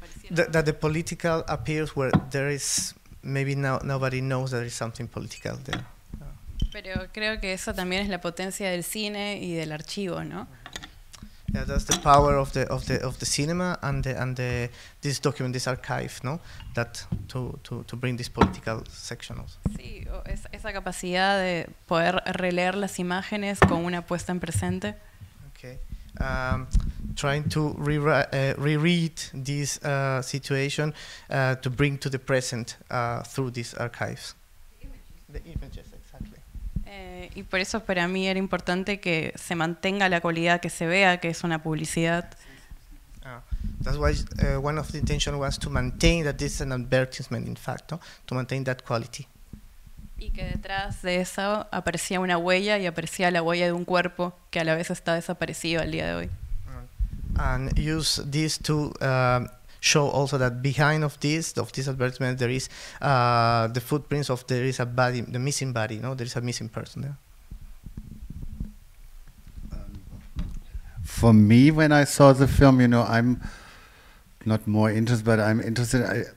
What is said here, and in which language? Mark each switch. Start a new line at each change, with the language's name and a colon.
English: That the political appears where there is maybe nobody knows that there is something political there.
Spanish: Pero creo que eso también es la potencia del cine y del archivo, ¿no?
English: Yeah, that's the power of the cinema and this document, this archive, ¿no? That to bring this political section also.
Spanish: Sí, esa capacidad de poder releer las imágenes con una puesta en presente.
English: Okay. trying to reread this situation to bring to the present through these archives. The images, exactly.
Spanish: Y por eso para mí era importante que se mantenga la cualidad que se vea, que es una publicidad.
English: That's why one of the intention was to maintain that this is an advertisement, in fact, no? To maintain that quality.
Spanish: Y que detrás de eso aparecía una huella y aparecía la huella de un cuerpo que a la vez está desaparecido al día de hoy.
English: And use this to show also that behind of this advertisement there is the footprints of there is a body, the missing body, no? There is a missing person there. For me, when I saw the film, you know, I'm not more interested, but I'm interested.